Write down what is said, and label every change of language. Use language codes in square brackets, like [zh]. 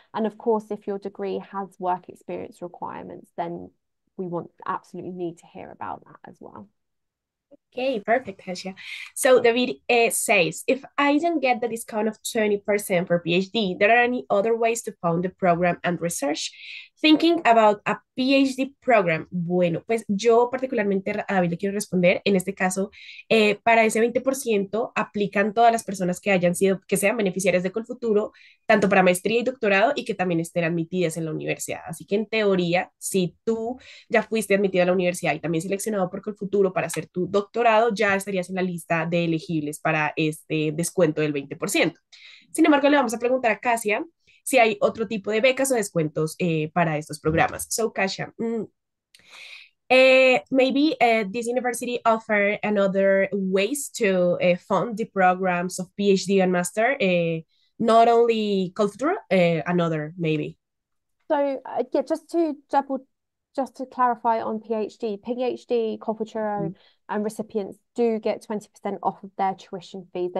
[en] And of course, if your degree has work experience requirements, then we want absolutely need to hear about that as well. Okay, perfect, Hesha. So David says, if I don't get the discount of 20% for PhD, there are any other ways to fund the program and research? Thinking about a PhD program, [es] bueno, pues yo particularmente a David le quiero responder, en este caso, para ese 20% aplican todas las personas que hayan sido, que sean beneficiarias de COLFUTURO, tanto para maestría y doctorado y que también estén admitidas en la universidad. Así que en teoría, si tú ya fuiste admitido a la universidad y también seleccionado por COLFUTURO para hacer tu doctorado, ya estarías en la lista de elegibles para este descuento del 20%. Sin embargo, le vamos a preguntar a Casia si hay otro tipo de becas o descuentos para estos programas. [en] So, Kasia, maybe this university offer another ways to fund the programs of PhD and master, not only cultural, another maybe. So yeah, just to clarify on PhD, COLFUTURO and recipients do get 20% off of their tuition fees.